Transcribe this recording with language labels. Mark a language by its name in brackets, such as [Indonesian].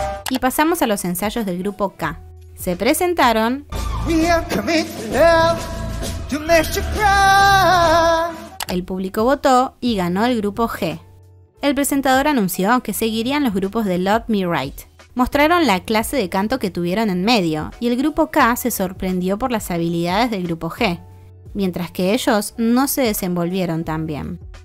[Spanish] Y pasamos a los ensayos del grupo K. Se presentaron. [English] We are committed to love, that makes you cry. [Spanish] El público votó y ganó el grupo G. El presentador anunció que seguirían los grupos de Love Me Right. Mostraron la clase de canto que tuvieron en medio, y el grupo K se sorprendió por las habilidades del grupo G, mientras que ellos no se desenvolvieron tan bien.